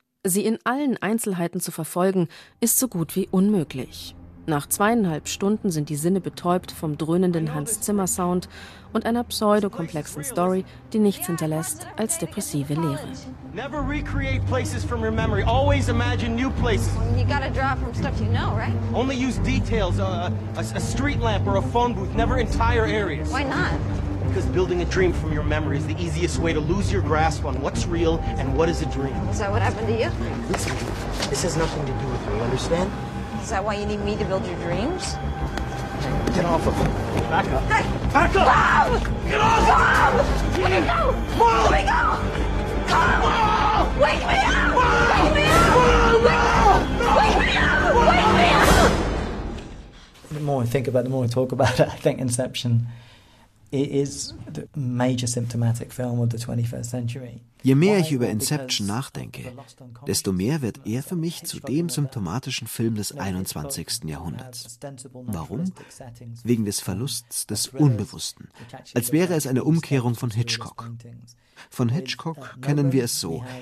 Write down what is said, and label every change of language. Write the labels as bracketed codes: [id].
[de] Sie in allen Einzelheiten zu verfolgen, ist so gut wie unmöglich. Nach 2,5 Stunden sind die Sinne betäubt vom dröhnenden Hans-Zimmer-Sound und einer pseudokomplexen Story, die nichts hinterlässt als depressive Leere. [en] Never recreate places from your memory. Always imagine new places. You gotta draw from stuff you know, right? Only use details, a street lamp or a phone booth, never entire areas. Why not? Because building a dream from your memory is the easiest way to lose your grasp on what's real and what is a dream. Is that what happened to you? Listen, this has nothing to do with you, understand? Is that why you need me to build your dreams? Get off of me. Back up. Hey! Back up! Mom! Get off! Mom! Let me go! Mom! Let me go! Come on! Wake me up! Mom! Wake me up! Mom! Wake, no! Wake me up! Mom! Wake me up! The more I think about it, the more I talk about it, I think Inception... It is the major symptomatic film of the 21st century. [de] Je mehr ich über Inception nachdenke, desto mehr wird er für mich zu dem symptomatischen Film des 21. Jahrhunderts. Warum? Wegen des Verlusts des Unbewussten. Als wäre es eine Umkehrung von Hitchcock. Von Hitchcock kennen wir es so.